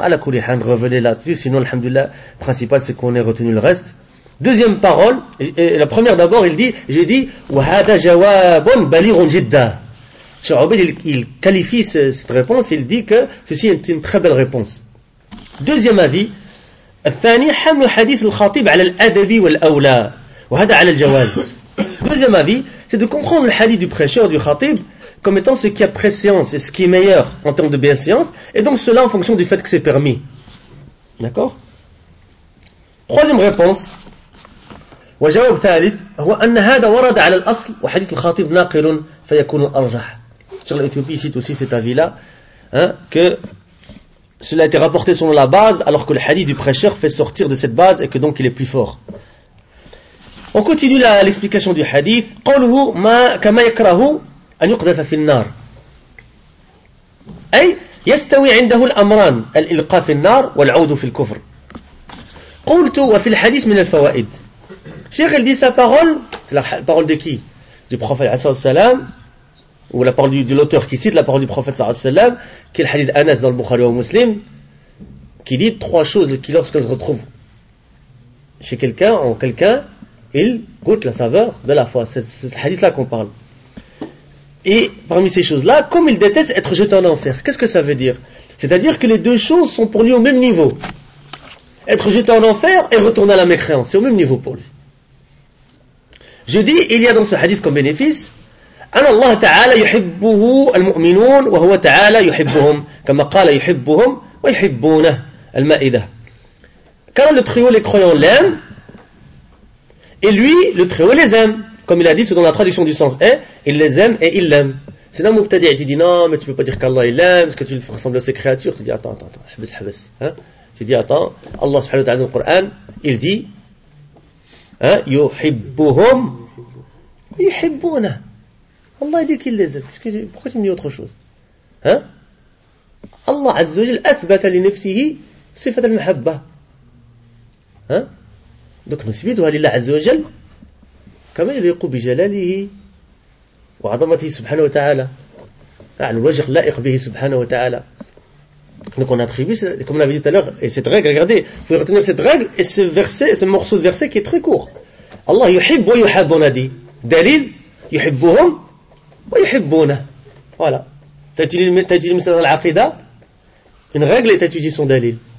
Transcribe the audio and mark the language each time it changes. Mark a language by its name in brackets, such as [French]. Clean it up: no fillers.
[French] Ala kulihan, revenez là-dessus, sinon, Alhamdulillah, le principal c'est qu'on ait retenu le reste. Deuxième parole, et la première d'abord, il dit, j'ai dit, [Arabic] وَهَذَا جَوَابٌ بَلِيغٌ جِدًّا. [French] Cheikh Abid, il qualifie cette réponse, il dit que ceci est une très belle réponse. Deuxième avis, [Arabic] الثاني حمل حديث الخطيب على الأدب والأولى وهذا على الجواز. [French] Deuxième avis, c'est de comprendre le hadith du prêcheur, du khatib, comme étant ce qui a préséance et ce qui est meilleur en termes de bienséance, et donc cela en fonction du fait que c'est permis. D'accord ? Troisième réponse, [Arabic] وجواب ثالث هو أن هذا ورد على الأصل وحديث الخطيب ناقل فيكون أرجح. [French] Cheikh l'Éthiopie cite aussi cet avis-là, hein, que cela a été rapporté selon la base, alors que le hadith du prêcheur fait sortir de cette base et que donc il est plus fort. On continue l'explication du hadith. [Arabic] قوله ما كما يكره أن يقذف في النار. أي يستوي عنده الأمران الإلقاء في النار والعود في الكفر. قلت وفي الحديث من الفوائد. [French] Cheikh, il dit sa parole, c'est la parole de qui? Du prophète sallam, ou la parole de l'auteur qui cite la parole du prophète sallam, qui est le hadith Anas dans le Bukhari au Muslim, qui dit trois choses qui, lorsqu'elles se retrouvent chez quelqu'un, en quelqu'un, il goûte la saveur de la foi. C'est ce hadith-là qu'on parle. Et parmi ces choses-là, comme il déteste être jeté en enfer, qu'est-ce que ça veut dire? C'est-à-dire que les deux choses sont pour lui au même niveau. Être jeté en enfer et retourner à la mécréance, c'est au même niveau pour lui. Je dis, il y a dans ce hadith comme bénéfice, [Arabic] أن الله تعالى يحبه المؤمنون وهو تعالى يحبهم كما قال يحبهم ويحبونه المائدة. [French] Car le très haut les croyants l'aiment et lui, le très haut les aime. Comme il a dit, c'est dans la traduction du sens est, il les aime et il l'aime. C'est un mubtadi qui dit non, mais tu ne peux pas dire qu'Allah il l'aime, parce que tu le fais ressembler à ses créatures. Tu dis attends, habis. Hein? Tu dis attends, Allah subhanahu wa ta'ala dans le Coran, il dit. [Arabic] يحبهم ويحبونا. الله يديك اللزم. [French] Pourquoi tu me dis autre chose? [Arabic] الله عز وجل أثبت لنفسه صفة المحبة. Donc نثبتها لله عز وجل كما يليق بجلاله وعظمته سبحانه وتعالى. عن الوجه اللائق به سبحانه وتعالى. [French] Donc on attribue, comme on avait dit tout à l'heure, et cette règle, regardez, il faut retenir cette règle et ce verset, ce morceau de verset qui est très court. [Arabic] Allah yuhib wa yuhab, [French] on a dit. Dalil, [Arabic] yuhibbuhum wa yuhibbuna. [French] Voilà. T'as-tu dit le message de l'aqida? Une règle et t'as-tu dit son dalil?